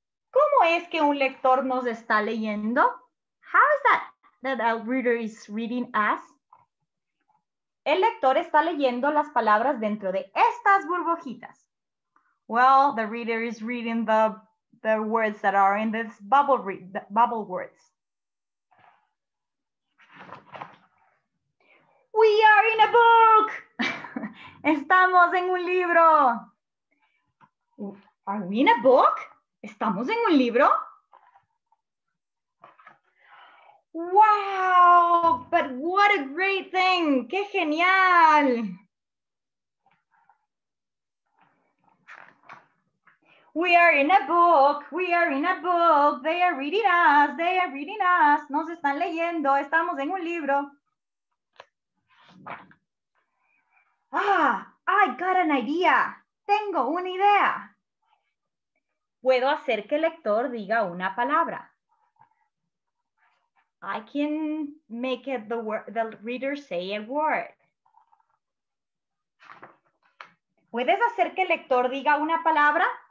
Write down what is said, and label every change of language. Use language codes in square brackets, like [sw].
[es] ¿Cómo es que un lector nos está leyendo? [en] How is that a reader is reading us? [es] El lector está leyendo las palabras dentro de estas burbujitas. [en] Well, the reader is reading the words that are in this bubble words. We are in a book. [es] Estamos en un libro. [en] Are we in a book? [es] Estamos en un libro. [en] Wow, but what a great thing. [es] Qué genial. [en] We are in a book. We are in a book. They are reading us. They are reading us. [es] Nos están leyendo. Estamos en un libro. [en] Ah, I got an idea. [es] Tengo una idea. Puedo hacer que el lector diga una palabra. [en] I can make it the reader say a word. [es] ¿Puedes hacer que el lector diga una palabra?